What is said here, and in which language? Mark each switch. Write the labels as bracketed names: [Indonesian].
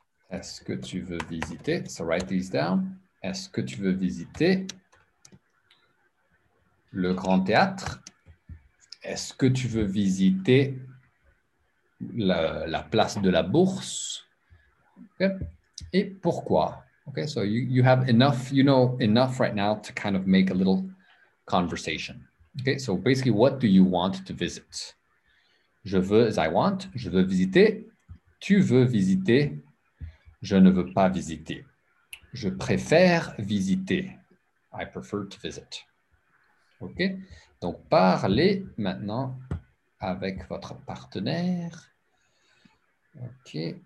[French] Est-ce que tu veux visiter? [English] So write these down. [French] Est-ce que tu veux visiter le Grand Théâtre? Est-ce que tu veux visiter la place de la Bourse? Okay. Et pourquoi? [English] Okay, so you have enough, you know, enough right now to kind of make a little conversation. Okay, so basically, what do you want to visit? [French] Je veux, [English] I want, [French] je veux visiter, tu veux visiter, je ne veux pas visiter. Je préfère visiter. [English] I prefer to visit. [French] OK? Donc, parlez maintenant avec votre partenaire. OK.